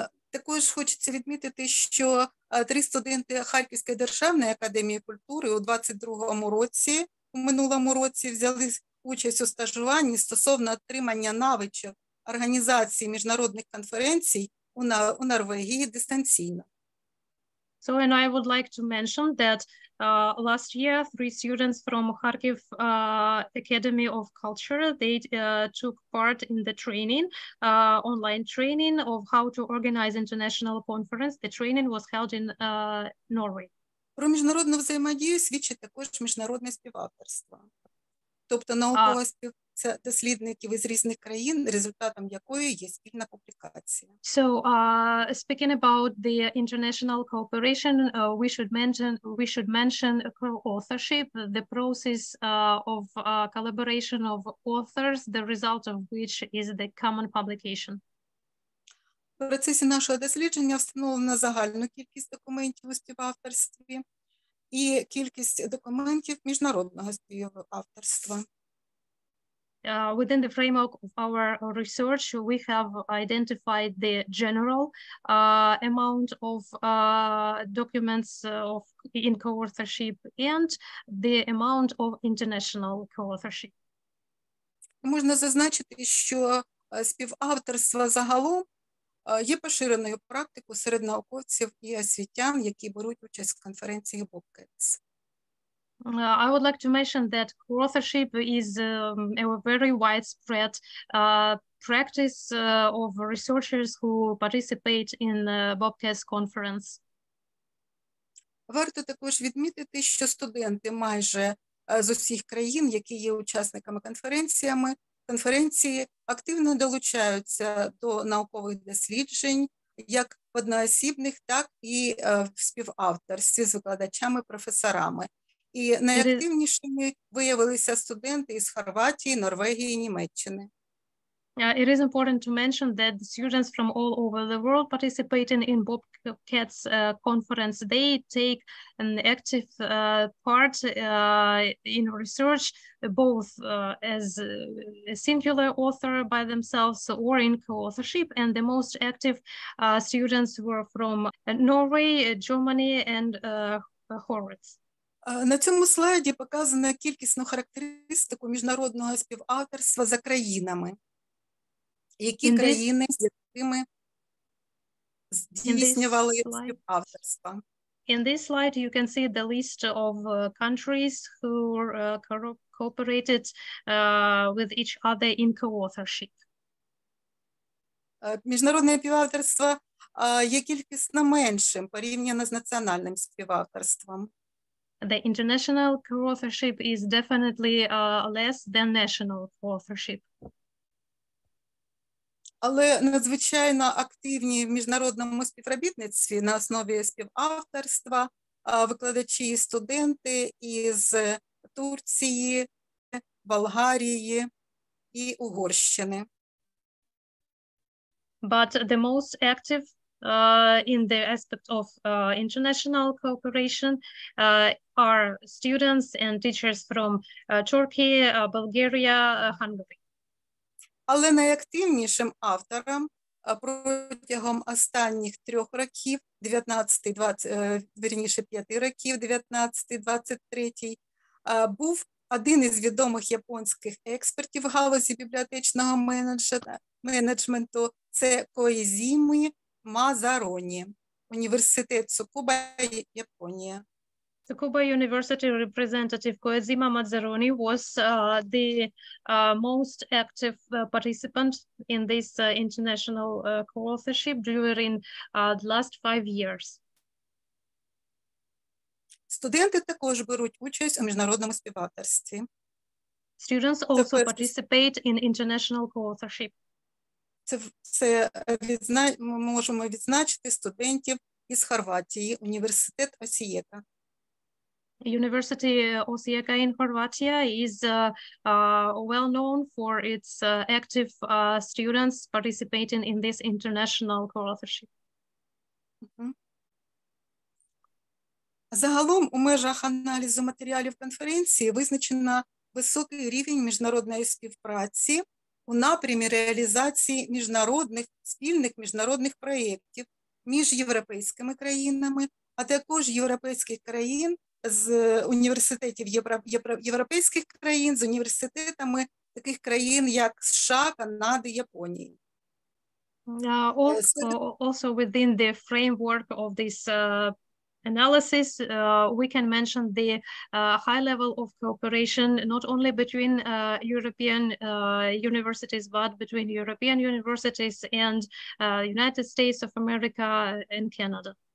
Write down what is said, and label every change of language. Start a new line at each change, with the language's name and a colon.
Ukrainian: Також хочеться відмітити, що три студенти Харківської державної академії культури у 22-му році, у минулому році, взяли участь у стажуванні стосовно отримання навичок організації міжнародних конференцій у Норвегії дистанційно.
English: So, and I would like to mention that last year three students from Kharkiv Academy of Culture, they took part in the training, online training of how to organize international conference. The training was held in Norway.
Ukrainian: Про міжнародну взаємодію свідчить також міжнародне співавторство. Тобто наукова співця дослідників із різних країн, результатом якої є спільна публікація.
English: So, speaking about the international cooperation, we should mention co-authorship, the process of collaboration of authors, the result of which is the common publication.
Ukrainian: В процесі нашого дослідження встановлена загальна кількість документів у співавторстві і кількість документів міжнародного співавторства.
English: Within the framework of our research, we have identified the general amount of documents of in co-authorship and the amount of international co-authorship.
Ukrainian: Можна зазначити, що співавторство загалом є поширеною практикою серед науковців і освітян, які беруть участь в конференції Bobcats.
English: I would like to mention that co-authorship is a very widespread practice of researchers who participate in Bobcats conference.
Ukrainian: Варто також відмітити, що студенти майже з усіх країн, які є учасниками конференціями, конференції активно долучаються до наукових досліджень як в одноосібних, так і в співавторстві з викладачами, професорами. І найактивнішими виявилися студенти із Хорватії, Норвегії, Німеччини.
English: It is important to mention that students from all over the world participating in Bobcats conference, they take an active part in research, both as a singular author by themselves or in co-authorship. And the most active students were from Norway, Germany, and Horvats.
Ukrainian: На цьому слайді показана кількісну характеристику міжнародного співавторства за країнами. Які країни з якими здійснювали співавторство?
English: In this slide you can see the list of countries who cooperated with each other in co-authorship.
Ukrainian: Міжнародне співавторство є кількісно меншим порівняно з національним співавторством.
English: The international co-authorship is definitely less than national co-authorship.
Ukrainian: Але надзвичайно активні в міжнародному співробітництві на основі співавторства викладачі і студенти із Турції, Болгарії і Угорщини.
English: But the most active in the aspect of international cooperation are students and teachers from Turkey, Bulgaria, Hungary.
Ukrainian: Але найактивнішим автором протягом останніх трьох років, 19-23, був один із відомих японських експертів в галузі бібліотечного менеджменту – це Коїзімі Мазароні, університет Цукуба, Японія.
English: Tsukuba University representative Koizima Mazaroni was the most active participant in this international co-authorship during the last 5 years.
Ukrainian: Студенти також беруть участь у міжнародному співавторстві.
English: Students also participate in international co-authorship.
Ukrainian: Це можемо відзначити студентів із Хорватії, університет Осієка.
English: University Osijeka in Croatia is well known for its active students participating in this international co-authorship.
Ukrainian: Загалом у межах аналізу матеріалів конференції визначено високий рівень міжнародної співпраці у напрямі реалізації міжнародних спільних міжнародних проєктів між європейськими країнами, а також європейських країн з університетів європейських країн, з університетами таких країн, як США, Канади, Японії.
English: Also within the framework of this analysis, we can mention the high level of cooperation not only between European universities, but between European universities and United States of America and Canada.